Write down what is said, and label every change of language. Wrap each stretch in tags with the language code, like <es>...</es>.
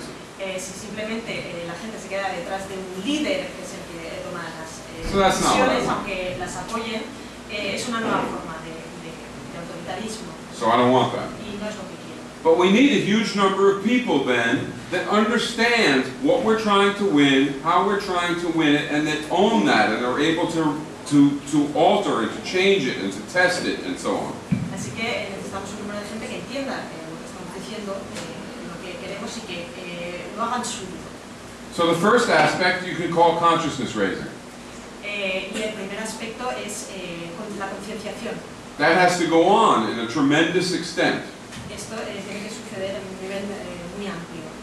<en>So that's not what I want. So I don't want that. But we need a huge number of people then that understand what we're trying to win, how we're trying to win it, and that own that and are able to alter it, to change it, and to test it, and so on.</en> <es>Así que necesitamos un número de gente que entienda lo que estamos diciendo, lo que queremos y que lo hagan suyo.</es> <en>So the first aspect you can call consciousness raising.</en> <es>y el primer aspecto es la concienciación.</es> <en>That has to go on in a tremendous extent.</en> <es>Esto tiene que suceder en un nivel muy amplio.</es>